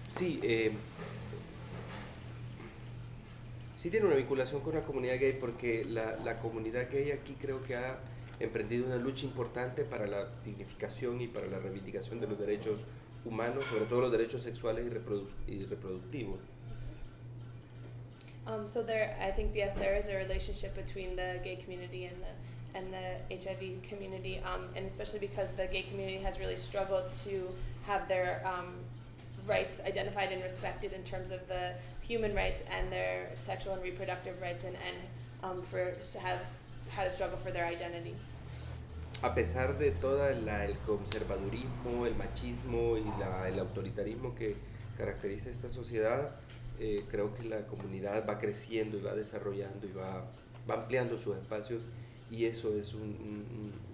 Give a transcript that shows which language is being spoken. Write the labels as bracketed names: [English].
[Spanish] Sí, sí tiene una vinculación con la comunidad gay, porque la comunidad gay aquí creo que ha emprendido una lucha importante para la dignificación y para la reivindicación de los derechos humanos, sobre todo los derechos sexuales y reproductivos. [English] So there, I think, yes, there is a relationship between the gay community and the HIV community, and especially because the gay community has really struggled to have their rights identified and respected in terms of the human rights and their sexual and reproductive rights, and to have a struggle for their identity. [Spanish] A pesar de todo el conservadurismo, el machismo y el autoritarismo que caracteriza esta sociedad, creo que la comunidad va creciendo y va desarrollando y va ampliando sus espacios, y eso es un